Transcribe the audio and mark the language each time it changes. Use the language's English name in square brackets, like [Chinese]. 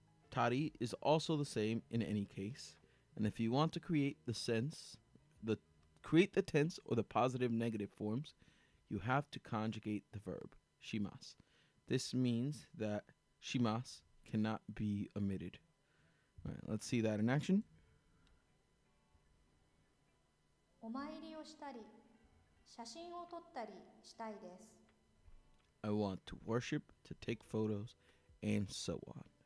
[English] Tari is also the same in any case, and if you want to create the sense, create the tense or the positive negative forms, you have to conjugate the verb shimasu. This means that shimasu cannot be omitted. Alright, let's see that in action. [Japanese] お参りをしたり、写真を撮ったりしたいです。 [English] I want to worship, to take photos, and so on.